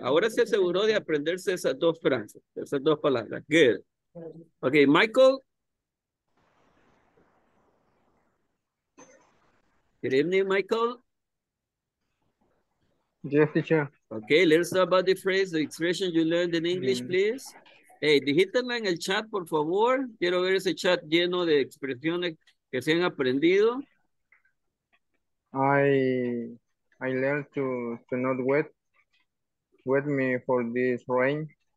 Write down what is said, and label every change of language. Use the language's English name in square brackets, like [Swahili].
[Spanish] Ahora se aseguró de aprenderse esas dos frases, esas dos palabras. [English] Good. Okay, Michael. Good evening, Michael. Yes, teacher. Okay, let's talk about the phrase, the expression you learned in English, please. [Spanish] Hey, digítenla en el chat, por favor. Quiero ver ese chat lleno de expresiones que se han aprendido. [English] I learned to not wet me for this rain.